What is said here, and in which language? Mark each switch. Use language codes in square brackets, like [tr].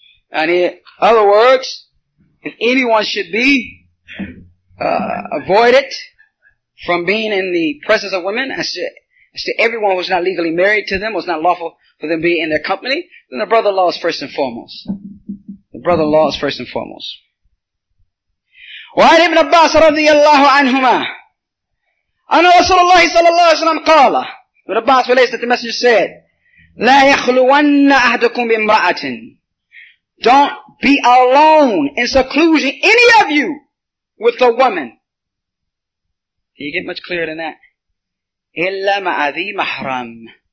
[en] And in other words, if anyone should be avoided from being in the presence of women, as to everyone who's not legally married to them, was not lawful for them to be in their company, then the brother-in-law is first and foremost. The brother-in-law is first and foremost. [ar] وعن ابن عباس رضي الله عنهما أن رسول الله صلى الله عليه وسلم قال. [en] Ibn Abbas relates that the Messenger said, [ar] لا يخلون أحدكم بامرأة. [en] Don't be alone in seclusion, any of you, with a woman. Can you get much clearer than that? [ar] إلا مع ذي محرم.